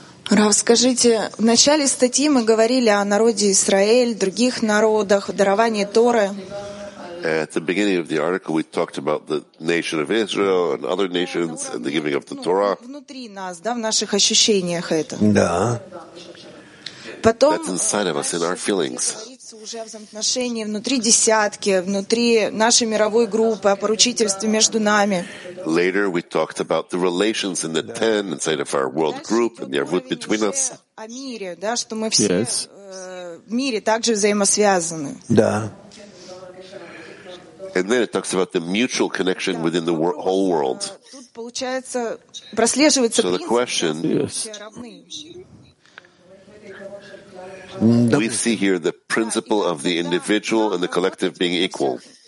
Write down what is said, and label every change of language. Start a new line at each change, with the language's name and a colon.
Russian: Рав, скажите, в начале статьи мы говорили о народе Израиль, других народах, даровании Торы.
English: At the beginning of the article, we talked about the nation of Israel and other nations and the giving of the Torah.
Russian: Внутри нас, да, в наших ощущениях это. Да. Потом.
English: That's inside of us, in our feelings.
Russian: Уже в взаимоотношениях внутри десятки, внутри нашей мировой группы, о поручительстве между нами.
English: Later, we talked about the relations in the ten inside of our world group and the arvut between us.
Russian: О мире, да, что мы все в мире также взаимосвязаны. Да.
English: And then it talks about the mutual connection within the whole world. So the question is, we see here the principle of the individual and the collective being equal.